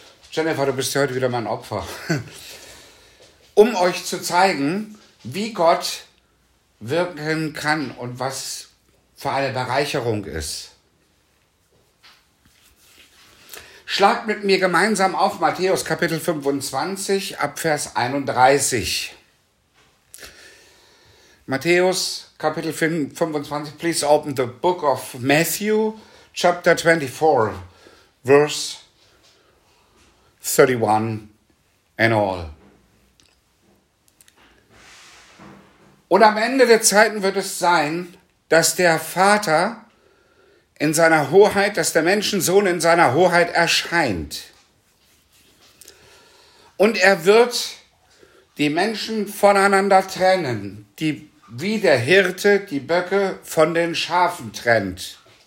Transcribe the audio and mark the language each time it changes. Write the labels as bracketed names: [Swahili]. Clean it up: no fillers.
[German] Jennifer, du bist heute wieder mein Opfer. Um euch zu zeigen, wie Gott wirken kann und was für eine Bereicherung ist. Schlagt mit mir gemeinsam auf Matthäus Kapitel 25 ab Vers 31. Matthäus Kapitel 25, [English] please open the book of Matthew, chapter 24, verse 31 and all. [German] Und am Ende der Zeiten wird es sein, dass der Vater in seiner Hoheit, dass der Menschensohn in seiner Hoheit erscheint. Und er wird die Menschen voneinander trennen, die wie der Hirte die Böcke von den Schafen trennt.